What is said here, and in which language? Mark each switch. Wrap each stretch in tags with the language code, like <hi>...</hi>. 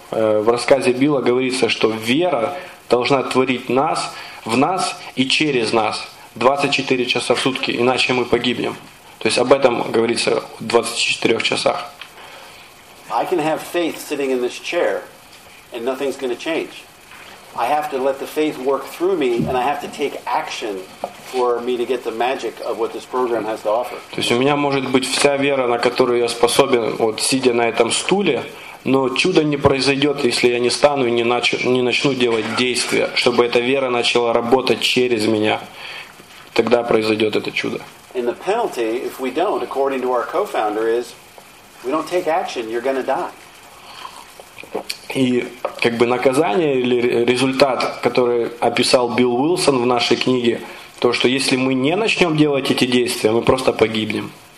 <ru>В рассказе Билла говорится, что вера должна творить нас, в нас и через нас 24 часа в сутки, иначе мы погибнем. То есть об этом говорится в 24 часах.</ru> <en>I can have faith sitting in this chair, and nothing's going to change. I have to let the faith work through me, and I have to take action for me to get the magic of what this program has to offer.</en> <ru>То есть у меня может быть вся вера, на которую я способен, вот сидя на этом стуле, но чудо не произойдет, если я не стану и не начну делать действия, чтобы эта вера начала работать через меня. Тогда произойдет это чудо.</ru> <en>And the penalty, if we don't, according to our co-founder, is we don't take action, you're going to die.</en> <ru>И как бы наказание или результат, который описал Билл Уилсон в нашей книге, то, что если мы не начнем делать эти действия, мы просто погибнем.</ru>